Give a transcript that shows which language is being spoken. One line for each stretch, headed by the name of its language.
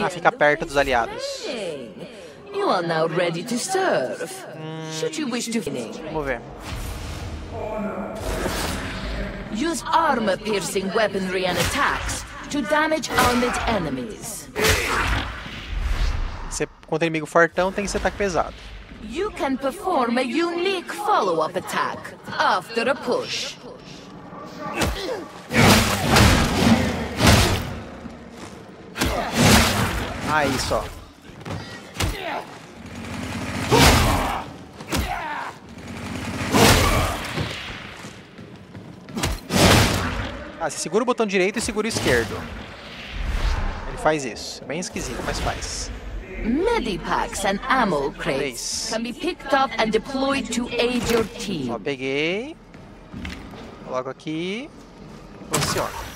Portuguese: fica perto dos aliados.
English: You are now ready to serve. Should you wish to finish?
Portuguese: Vamos ver.
English: Use armor-piercing weaponry and attacks to damage armored enemies.
Portuguese: Se contra inimigo fortão, tem que ser ataque pesado.
English: You can perform a unique follow-up attack after a push.
Portuguese: Aí só. Ah, você segura o botão direito e segura o esquerdo. Ele faz isso. É bem esquisito, mas faz.
English: Medipacks and ammo crates can be picked up and deployed to aid your team.
Portuguese: Ó, peguei. Coloco aqui. Funciona.